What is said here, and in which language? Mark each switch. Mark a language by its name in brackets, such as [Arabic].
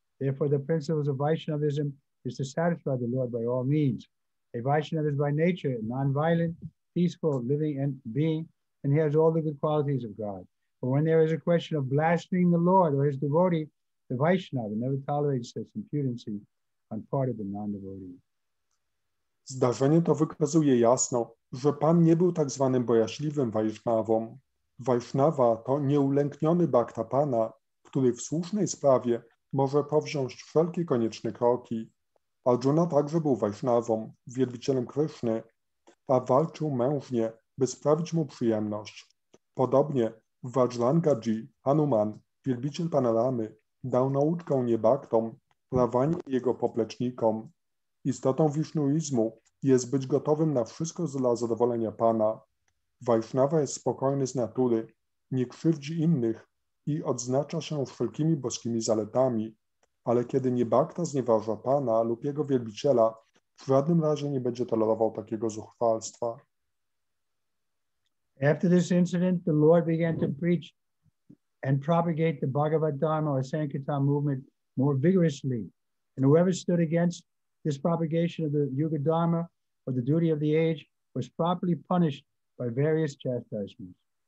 [English] Therefore, the principles of Vaishnavism is to satisfy the Lord by all means. A Vaishnava is by nature non-violent, peaceful, living and being, and he has all the good qualities of God. But when there is a question of blaspheming the Lord or his devotee, the Vaishnava never tolerates such impudency on part of the non-devotee. [Polish] Zdarzenie to wykazuje jasno, że Pan nie był tak zwanym bojaźliwym Vaishnavą. Vaishnava to nieulękniony bhakta Pana, który w słusznej sprawie może powziąć wszelkie konieczne kroki. Arjuna także był Vaishnavą, wielbicielem Kryszny, a walczył mężnie, by sprawić mu przyjemność. Podobnie Vajrangji, Hanuman, wielbiciel Pana Ramy, dał nauczkę niebaktom, prawanie jego poplecznikom. Istotą wisznuizmu jest być gotowym na wszystko dla zadowolenia Pana. Vaishnava jest spokojny z natury, nie krzywdzi innych i odznacza się wszelkimi boskimi zaletami, ale kiedy niebakta znieważa Pana lub jego wielbiciela, w żadnym razie nie będzie tolerował takiego zuchwalstwa. [English] After this incident, the Lord began to preach and propagate the Bhagavad Dharma or Sankirtan movement more vigorously. And whoever stood against this propagation of the Yuga Dharma or the duty of the age was properly punished by various chastisements.